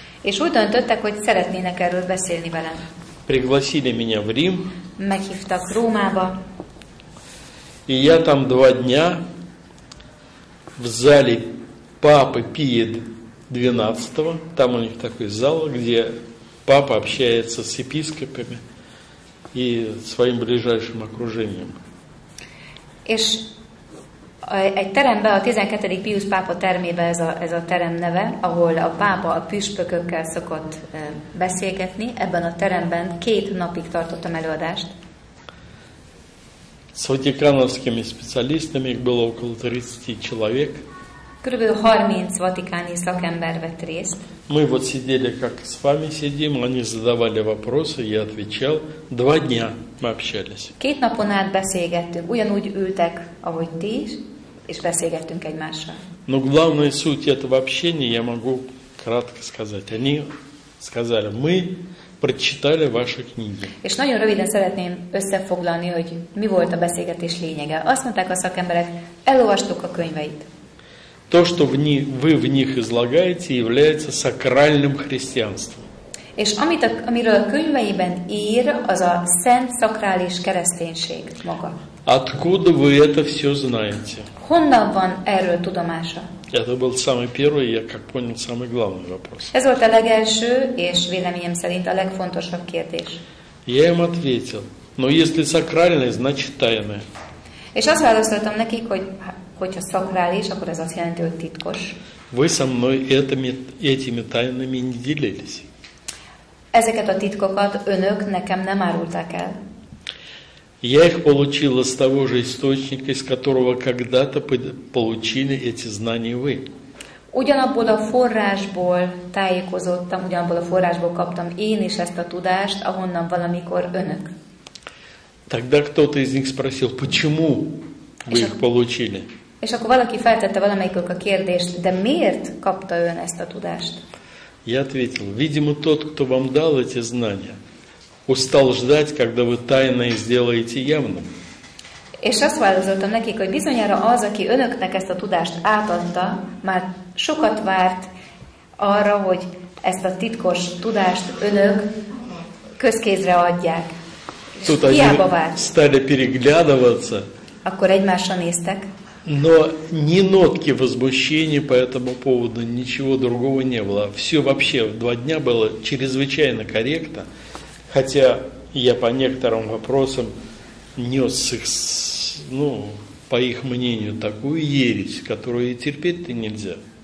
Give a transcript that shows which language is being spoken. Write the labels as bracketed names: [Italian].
[Hungarian] És úgy döntöttek, hogy szeretnének erről beszélni velem. [Russian] Пригласили меня в Рим. [Hungarian] Meghívtak Rómába. [Russian] И я там два дня в зале Папы Пия XII, там у них такой зал, где Папа общается с епископами и своим ближайшим окружением. [Hungarian] És egy terembe, a 12. Pius pápa termébe ez a terem neve, ahol a pápa a püspökökkel szokott beszélgetni, ebben a teremben két napig tartottam előadást. [Russian] С ватикановскими специалистами их было около 30 человек. [Hungarian] Körülbelül 30 vatikáni szakember vett részt. [Russian] Мы вот сидели, как с вами сидим, они задавали вопросы, я отвечал. Два дня мы общались. [Hungarian] Két napon át beszélgettünk, ugyanúgy ültek, ahogy ti is, és beszélgettünk egymással. [Russian] Но главная суть этого общения я могу кратко сказать. Они сказали, мы прочитали ваши книги. [Hungarian] És nagyon röviden szeretném összefoglalni, hogy mi volt a beszélgetés lényege. Azt mondták a szakemberek, elolvastuk a könyveit. [Russian] То, что вы в них излагаете, является сакральным христианством. [Hungarian] És amit amiről a könyveiben ír, az a szent szakrális kereszténység maga. [Russian] Откуда вы это все знаете? [Hungarian] Honnan van erről tudomása? [Russian] Это был самый первый, я как понял, самый главный вопрос. [Hungarian] Ez volt a legelső, és véleményem szerint a legfontosabb kérdés. [Russian] Я им ответил, но если сакральное, значит тайное. [Hungarian] És azt választottam nekik, hogyha szakrális, akkor ez azt jelenti, hogy titkos. [Russian] Вы со мной этими тайнами не делились. [Hungarian] Ezeket a titkokat önök nekem nem árulták el. [Russian] Я их получил из того же источника, из которого когда-то получили эти знания вы. [Hungarian] Ugyanabból a forrásból tájékozottam, ugyanabból a forrásból kaptam én is ezt a tudást, ahonnan valamikor önök. [Russian] Тогда кто-то из них спросил, почему вы их получили? [Hungarian] És akkor valaki feltette valamelyikük a kérdést, de miért kapta ön ezt a tudást? [Russian] Я ответил, видимо, тот, кто вам дал эти знания, устал ждать, когда вы тайное сделаете явным. [Hungarian] És azt válaszoltam nekik, hogy bizonyára az, aki önöknek ezt a tudást átadta, már sokat várt arra, hogy ezt a titkos tudást önök közkézre adják. [Russian] Тут [Hungarian] hiába várt. [Russian] Стали переглядываться. [Hungarian] Akkor egymásra néztek. [Russian] Но ни нотки возмущения по этому поводу, ничего другого не было. Все вообще в два дня было чрезвычайно корректно. Хотя я по некоторым вопросам нес их, ну, по их мнению, такую ересь, которую и терпеть-то нельзя.